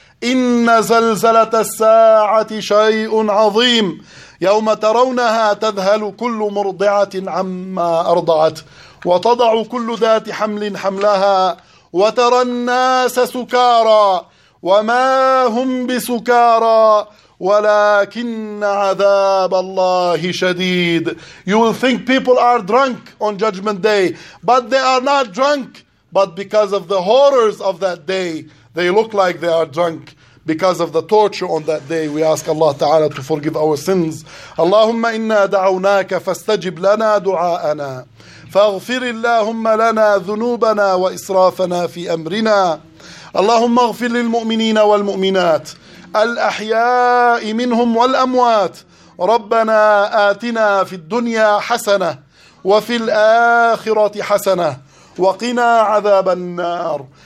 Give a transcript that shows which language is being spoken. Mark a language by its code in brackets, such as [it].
[ar] إن زلزلة الساعة شيء عظيم يوم ترونها تذهل كل مرضعة عما أرضعت وتضع كل ذات حمل حملها وترى الناس سكارى وما هم بسكارى ولكن عذاب الله شديد. [en] You will think people are drunk on judgment day, but they are not drunk, but because of the horrors of that day they look like they are drunk because of the torture on that day. We ask Allah Ta'ala to forgive our sins. [ar] اللهم إنا دعوناك فاستجب لنا دعاءنا فاغفر اللهم لنا ذنوبنا وإسرافنا في أمرنا. اللهم اغفر للمؤمنين والمؤمنات الأحياء منهم والأموات. ربنا آتنا في الدنيا حسنة وفي الآخرة حسنة وقنا عذاب النار.